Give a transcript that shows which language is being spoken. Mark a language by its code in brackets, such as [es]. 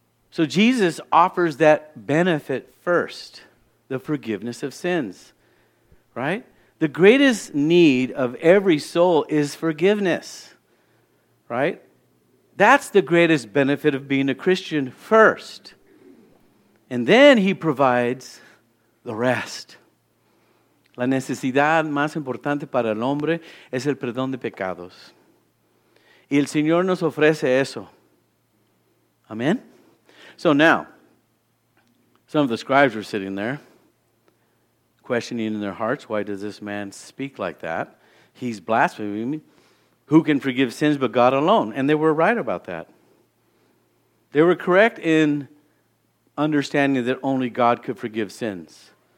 [en] So Jesus offers that benefit first, the forgiveness of sins, right? The greatest need of every soul is forgiveness, right? That's the greatest benefit of being a Christian first. And then he provides the rest. [es] La necesidad más importante para el hombre es el perdón de pecados. Y el Señor nos ofrece eso. [en] Amen? So now, some of the scribes were sitting there. Questioning in their hearts, why does this man speak like that? He's blaspheming. Who can forgive sins but God alone? And they were right about that. They were correct in understanding that only God could forgive sins.